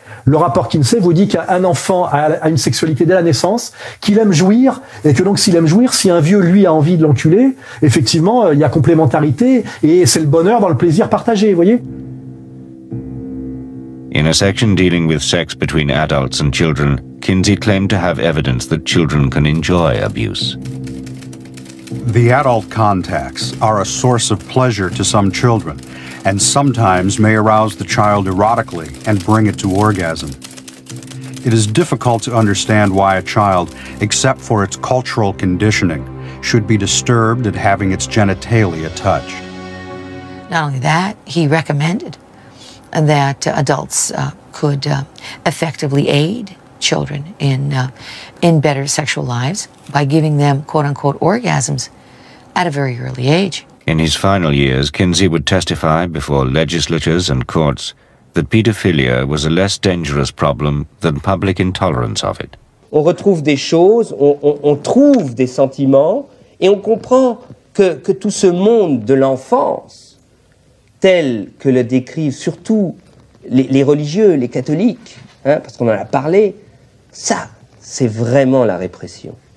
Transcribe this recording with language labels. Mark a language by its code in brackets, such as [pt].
[fr] Le rapport Kinsey vous dit qu'un enfant a une sexualité dès la naissance, qu'il aime jouir, et que donc s'il aime jouir, si un vieux lui a envie de l'enculer, effectivement, il y a complémentarité, et c'est le bonheur dans le plaisir partagé, vous voyez. [en] In a section dealing with sex between adults and children, Kinsey claimed to have evidence that children can enjoy abuse. The adult contacts are a source of pleasure to some children, and sometimes may arouse the child erotically and bring it to orgasm. It is difficult to understand why a child, except for its cultural conditioning, should be disturbed at having its genitalia touched. Not only that, he recommended that adults could effectively aid children in better sexual lives by giving them quote-unquote orgasms at a very early age. In his final years, Kinsey would testify before legislatures and courts that pedophilia was a less dangerous problem than public intolerance of it. [fr] On retrouve des choses, on trouve des sentiments, et on comprend que tout ce monde de l'enfance, tel que le décrivent surtout les religieux, les catholiques, hein, parce qu'on en a parlé, ça, c'est vraiment la répression.